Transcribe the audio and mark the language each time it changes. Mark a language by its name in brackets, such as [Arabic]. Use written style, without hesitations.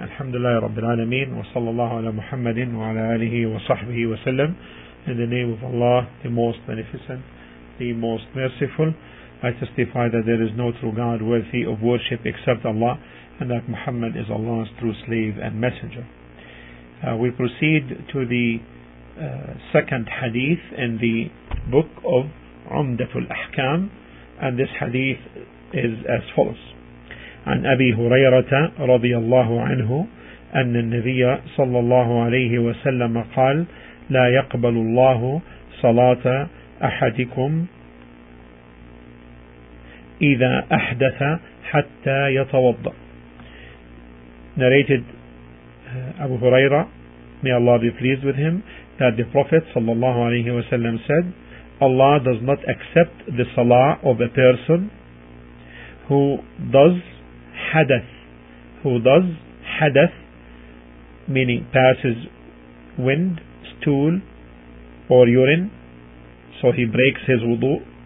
[Arabic] الحمد لله رب العالمين، وصلى الله على محمد وعلى آله وصحبه وسلم. [English] In the name of Allah, the most beneficent, the most merciful, I testify that there is no true God worthy of worship except Allah, and that Muhammad is Allah's true slave and messenger. We proceed to the second hadith in the book of Umdatul Ahkam, and this hadith is as follows. [Arabic] عن أبي هريرة رضي الله عنه أن النبي صلى الله عليه وسلم قال لا يقبل الله صلاة أحدكم إذا أحدث حتى يتوضأ. [English] Narrated Abu Huraira, may Allah be pleased with him, that the Prophet [Arabic] صلى الله عليه وسلم [English] said, Allah does not accept the salah of a person who does hadath, who does hadath, meaning passes wind, stool, or urine, so he breaks his wudu.